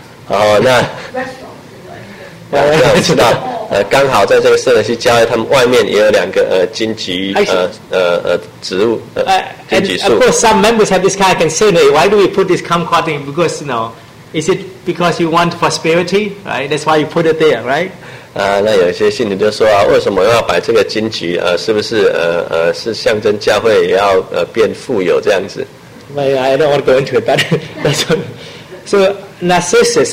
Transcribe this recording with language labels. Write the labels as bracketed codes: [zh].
[en] Oh, that's right. And of course, some members have this kind of concern, hey, why do we put this kumquat thing? Because, you know, is it because you want prosperity, right? That's why you put it there, right? [zh] 那有些信徒就说啊，为什么要摆这个金桔？是不是是象征教会也要变富有这样子 [en] ？I don't want to go into it, but that's what, so narcissus.